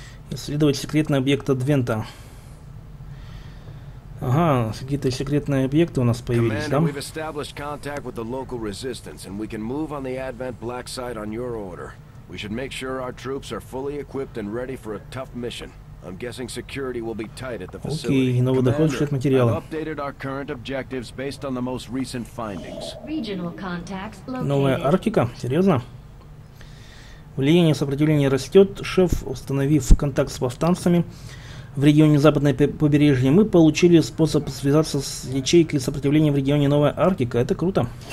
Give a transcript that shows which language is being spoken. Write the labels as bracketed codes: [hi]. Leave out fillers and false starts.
[ru] Исследовать секретный объект Адвента. Ага, какие-то секретные объекты у нас появились, да? [en] We've established contact with the local resistance, and we can move on the Advent Black Site on your order. We should make sure our troops are fully equipped and ready for a tough mission. I'm guessing security will be tight at the facility. [ru] Окей, новый доход, счет материала. [en] I've updated our current objectives based on the most recent findings. Regional contacts located. [ru] Новая Арктика? Серьезно? Влияние сопротивления растет, шеф, установив контакт с повстанцами. В регионе Западное побережье мы получили способ связаться с ячейкой сопротивления в регионе Новая Арктика. Это круто.